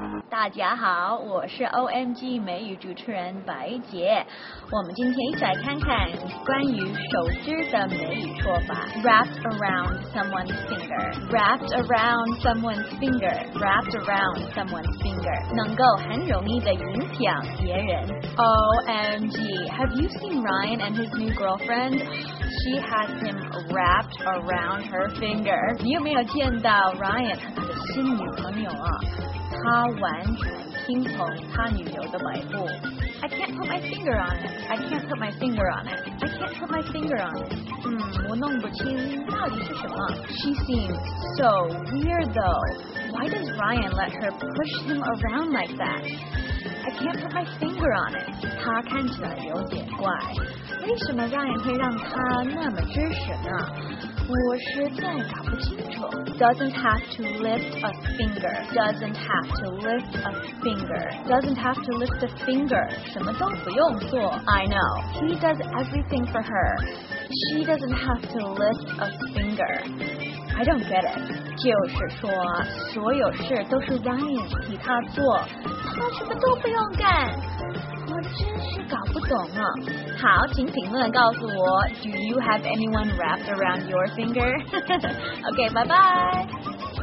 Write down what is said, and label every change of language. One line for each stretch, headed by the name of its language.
Chinese: 大家好，我是 OMG 美语主持人白杰。我们今天一起来看看关于手指的美语说法。
English: Wrapped around someone's finger. Wrapped around someone's finger. Wrapped around someone's finger.
Chinese: 能够很容易地影响别人。
English: OMG, have you seen Ryan and his new girlfriend? She has him wrapped around her finger.
Chinese: 你有没有见到 Ryan 和他的新女朋友啊？他完全听从他女友的摆布。
English: I can't put my finger on it. I can't put my finger on it. I can't put my finger on it.
Chinese: 我弄不清到底是什么。
English: She seems so weird though. Why does Ryan let her push him around like that? I can't put my finger on it.
Chinese: 他看起来有点怪。为什么 Ryan 会让他那么支持呢？我实在搞不清楚。
English: Doesn't have to lift a finger. Doesn't have to lift a finger. Doesn't have to lift a finger.
Chinese: 什么都不用做。
English: I know. He does everything for her. She doesn't have to lift a finger. I don't get it.
Chinese: 就是说，所有事都是 Ryan 替他做，他什么都不用干。我真是搞不懂啊。好，请评论告诉我
English: Do you have anyone wrapped around your finger? OK, bye bye.